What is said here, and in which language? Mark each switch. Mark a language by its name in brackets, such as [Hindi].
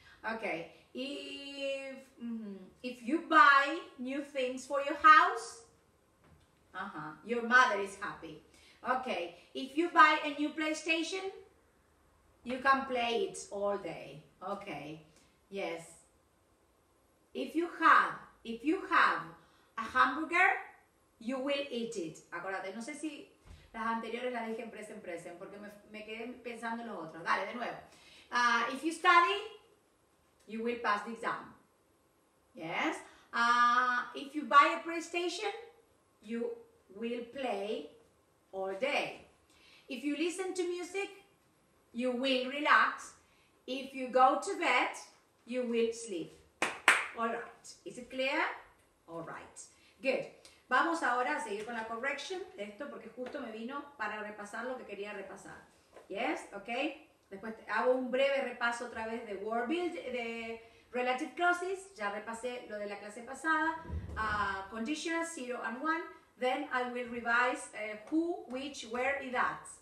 [English] Okay, if you buy new things for your house, your mother is happy. Okay, if you buy a new PlayStation, you can play it all day. Okay, yes. If you have a hamburger, you will eat it. [Spanish] Acuérdate, no sé si las anteriores las dije en present, present, porque me quedé pensando en los otros. Dale, de nuevo. [English] If you study, you will pass the exam. Yes. If you buy a PlayStation, you will play all day. If you listen to music, you will relax. If you go to bed, you will sleep. All right. Is it clear? All right. Good. [Spanish] Vamos ahora a seguir con la correction de esto porque justo me vino para repasar lo que quería repasar. [English] Yes, okay. [Spanish] Después hago un breve repaso otra vez de word build, de relative clauses. Ya repasé lo de la clase pasada. [English] Conditional, zero and one. Then I will revise who, which, where y that.